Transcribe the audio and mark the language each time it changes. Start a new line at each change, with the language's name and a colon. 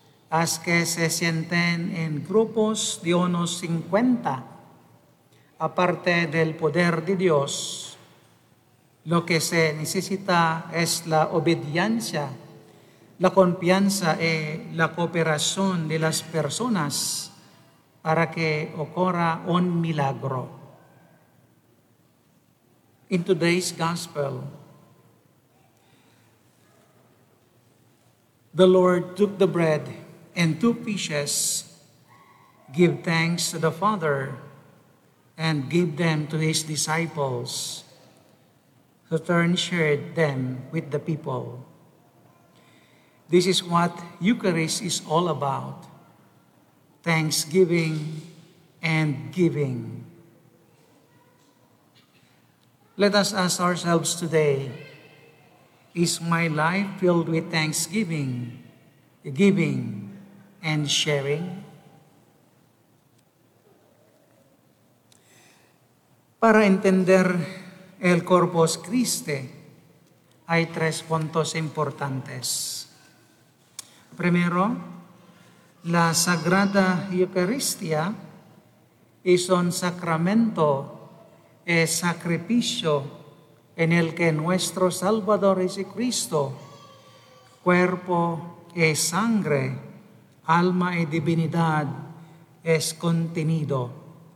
Spanish: Haz que se sienten en grupos de unos 50, aparte del poder de Dios. Lo que se necesita es la obediencia, la confianza y la cooperación de las personas para que ocurra un milagro.
English: In today's gospel, the Lord took the bread and two fishes, gave thanks to the Father, and gave them to his disciples. So turn shared them with the people. This is what Eucharist is all about: thanksgiving and giving. Let us ask ourselves today, is my life filled with thanksgiving, giving, and sharing?
Spanish: Para entender el Corpus Christi, hay tres puntos importantes. Primero, la Sagrada Eucaristía es un sacramento, es sacrificio en el que nuestro Salvador Jesucristo, cuerpo y sangre, alma y divinidad, es contenido.